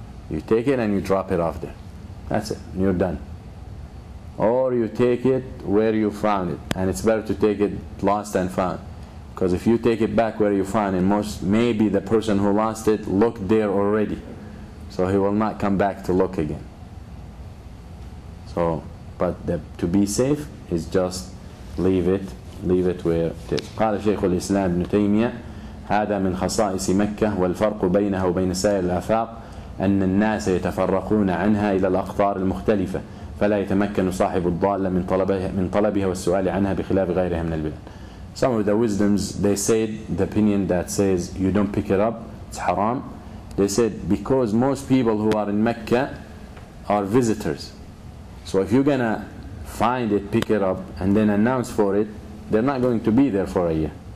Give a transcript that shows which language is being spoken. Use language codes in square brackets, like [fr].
[en] You take it and you drop it off there. That's it, you're done. Or you take it where you found it, and it's better to take it lost and found. Because if you take it back where you find it, most maybe the person who lost it looked there already. So he will not come back to look again. So, but to be safe is just leave it where it is. [ar] قال شيخ الإسلام ابن تيمية هذا من خصائص مكة والفرق بينها وبين سائر الآفاق أن الناس يتفرقون عنها إلى الأقطار المختلفة فلا يتمكن صاحب الضالة من طلبها والسؤال عنها بخلاف غيرها من البلاد. [en] Some of the wisdoms, they said, the opinion that says you don't pick it up, it's haram. They said, because most people who are in Mecca are visitors. So if you're gonna find it, pick it up, and then announce for it, they're not going to be there for a year.